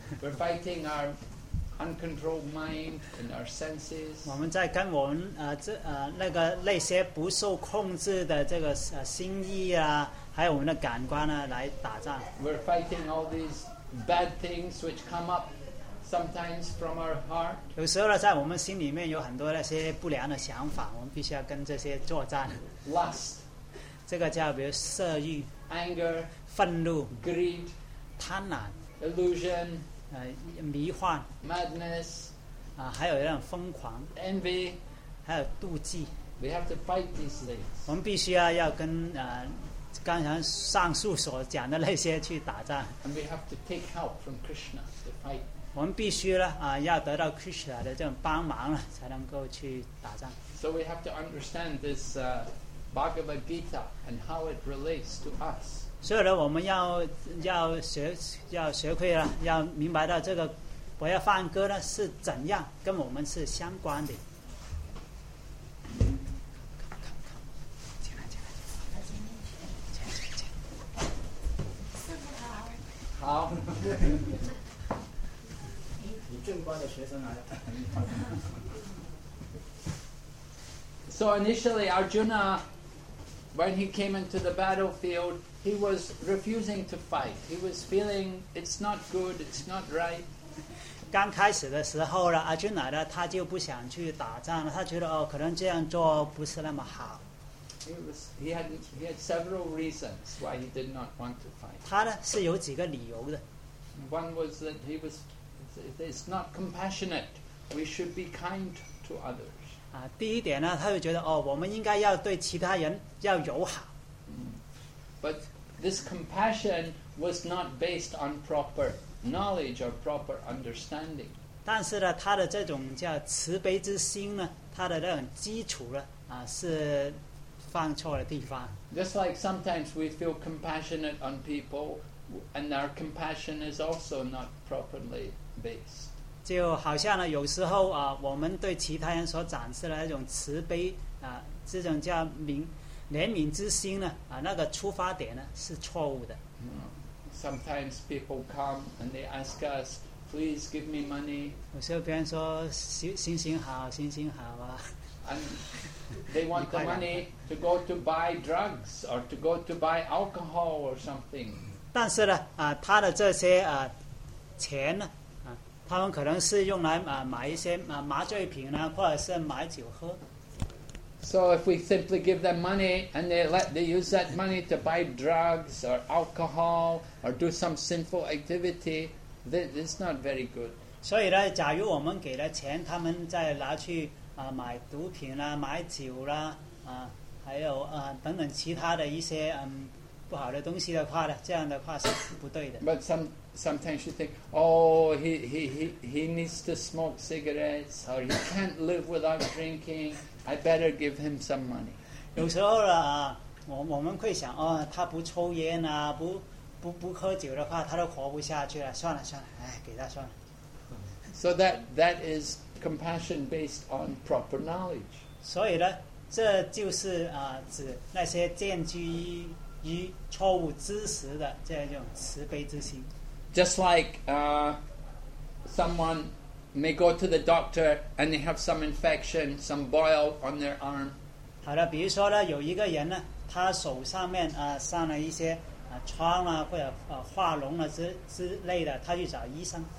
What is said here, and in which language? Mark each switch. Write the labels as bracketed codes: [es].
[en] We're fighting our uncontrolled mind and our senses. [zh] 我们在跟我们那个那些不受控制的这个心意啊，还有我们的感官呢，来打仗。 [en] We're fighting all these bad things which come up sometimes from our heart. [zh] 有时候呢，在我们心里面有很多那些不良的想法，我们必须要跟这些作战。 [en] Lust. [zh] 这个叫比如色欲 [en] anger [zh] 愤怒 [en] greed [zh] 贪婪 [en] illusion [zh] 迷幻 [en] madness [zh] 还有一种疯狂 [en] envy [zh] 还有妒忌 [en] we have to fight these things [zh] 我们必须要跟刚才上述所讲的那些去打仗 [en] and we have to take help from Krishna to fight [zh] 我们必须要得到 Krishna 的这种帮忙了才能够去打仗 [en] so we have to understand this Bhagavad Gita and how it relates to us. [zh] 所以呢，我们要学会了，要明白到这个《薄伽梵歌》呢是怎样跟我们是相关的。 [en] now. [zh] 你正乖的学生来了。 [en] So initially Arjuna, when he came into the battlefield, he was refusing to fight. He was feeling it's not good, it's not right. [zh] 刚开始的时候呢, Arjuna 呢, 他就不想去打仗了, 他觉得, 哦, 可能这样做不是那么好。 [en] He had several reasons why he did not want to fight. [zh] 他呢, 是有几个理由的。 [en] One was that he was, it's not compassionate. We should be kind to others. [zh] 啊, 第一点呢, 他就觉得, 哦, 我们应该要对其他人要友好。 [en] But this compassion was not based on proper knowledge or proper understanding. [zh] 但是呢, 他的这种叫慈悲之心呢, 他的那种基础呢, 啊, 是放错了地方。 [en] Just like sometimes we feel compassionate on people, and our compassion is also not properly based. [zh] 就好像呢, 有时候, 啊, 我们对其他人所展示的那种慈悲, 啊, 这种叫明, 怜悯之心呢, 啊, 那个出发点呢, 是错误的。 [en] Sometimes people come and they ask us, please give me money. [zh] 有时候别人说, 行行好, 行行好啊。 [en] And they want the money to go to buy drugs or to go to buy alcohol or something. [zh] 但是呢, 啊, 他的这些, 啊, 钱呢, 啊, 他们可能是用来, 啊, 买一些, 啊, 麻醉品呢, 或者是买酒喝。 [en] So if we simply give them money and they use that money to buy drugs or alcohol or do some sinful activity, it's not very good. [zh] 所以呢,假如我们给了钱, 他们再拿去, 啊, 买毒品啦, 买酒啦, 啊, 还有, 啊, 等等其他的一些, 嗯, 不好的东西的话呢, 这样的话是不对的。 [en] But sometimes you think, oh, he needs to smoke cigarettes or he can't live without drinking. I better give him some money. [zh] 有时候呢, 啊, 我们会想, 哦, 他不抽烟啊, 不喝酒的话, 他都活不下去了, 算了算了, 哎, 给他算了。 [en] So that is compassion based on proper knowledge. [zh] 所以呢, 这就是, 啊, 指那些建基于错误知识的这种慈悲之心。 [en] Just like someone may go to the doctor and they have some infection, some boil on their arm. [zh] 好的,比如说呢,有一个人呢, 他手上面, 啊, 上了一些, 啊, 疮啊, 或者, 啊, 化脓啊, 之类的, 他去找医生。